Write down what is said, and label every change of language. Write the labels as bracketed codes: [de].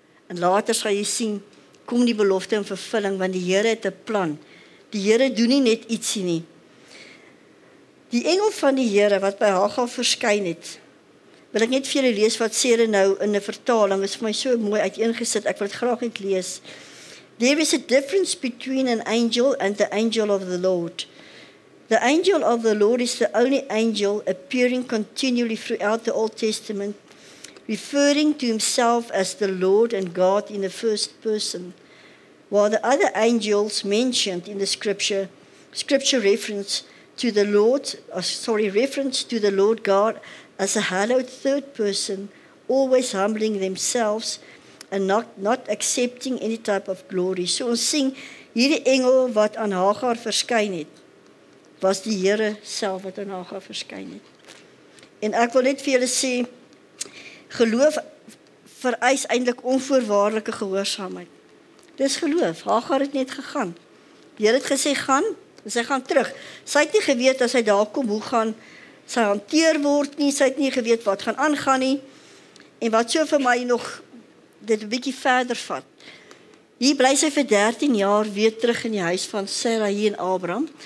[af] En later sal jy sien, kom die belofte in vervulling, want die Here het 'n plan. Die Here doen nie net ietsie nie. Die engel van die Here wat by Hagar verskyn het, wil ek net vir julle lees wat sê hulle nou in 'n vertaling, is vir my so mooi uiteengesit, ek wil het graag net lees. [en] There is a difference between an angel and the angel of the Lord. The angel of the Lord is the only angel appearing continually throughout the Old Testament, referring to himself as the Lord and God in the first person, while the other angels mentioned in the scripture reference to the Lord God as a hallowed third person, always humbling themselves and not accepting any type of glory. [af] So ons sien, hierdie engel wat aan Hagar verskyn het, was die Here self wat aan Hagar verskyn het. En ek wil net vir julle sê, geloof vereis eindelijk onvoorwaardelike gehoorsaamheid. Dis geloof, Hagar het net gegaan. Die Heer het gesê, gaan, en sy gaan terug. Sy het nie geweet, as hy daar kom, hoe gaan sy hanteer word nie, sy het nie geweet wat gaan aangaan nie, en wat so vir my nog dit een bykie verder vat. Hier bly sy vir 13 jaar weer terug in die huis van Sarah en Abraham.